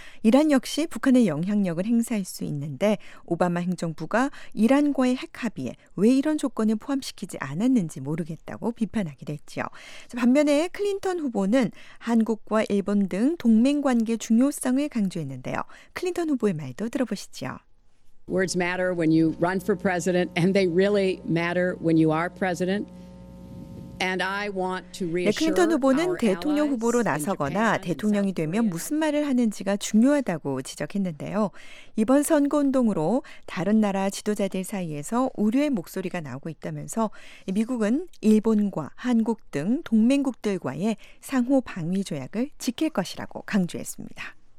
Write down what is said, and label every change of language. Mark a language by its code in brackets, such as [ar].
[ko] 이란 역시 북한의 영향력을 행사할 수 있는데 오바마 행정부가 이란과의 핵 합의에 왜 이런 조건을 포함시키지 않았는지 모르겠다고 비판하기도 했죠. 반면에 클린턴 후보는 한국과 일본 등 동맹관계 중요성을 강조했는데요. 클린턴 후보의 말도 들어보시죠. [en] Words matter when you run for president and they really matter when you are president. And I want to reassure our allies. [ko] 클린턴 후보는 대통령 후보로 나서거나 대통령이 되면 무슨 말을 하는지가 중요하다고 지적했는데요. 이번 선거운동으로 다른 나라 지도자들 사이에서 우려의 목소리가 나오고 있다면서 미국은 일본과 한국 등 동맹국들과의 상호 방위 조약을 지킬 것이라고 강조했습니다.